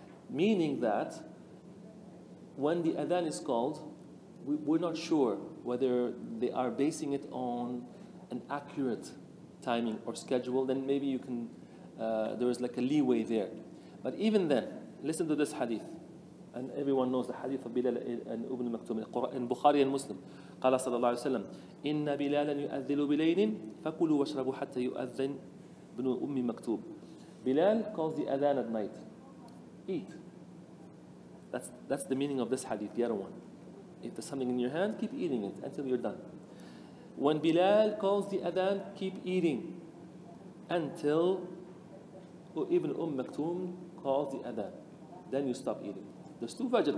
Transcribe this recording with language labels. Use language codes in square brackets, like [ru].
[en] Meaning that when the adhan is called, we're not sure whether they are basing it on an accurate timing or schedule, then maybe you can, there is like a leeway there. But even then, listen to this hadith. And everyone knows the hadith of Bilal and Ibn Maktum in Bukhari and Muslim. [ar] قال صلى الله عليه وسلم إن بلالا يؤذن بليل فكلوا واشربوا حتى يؤذن ابن أم مكتوب. [en] Bilal calls the adhan at night. Eat. That's the meaning of this hadith, the other one. If there's something in your hand, keep eating it until you're done. When Bilal calls the adhan, keep eating until Ibn Umm Maktum calls the adhan. Then you stop eating. There's two fajr.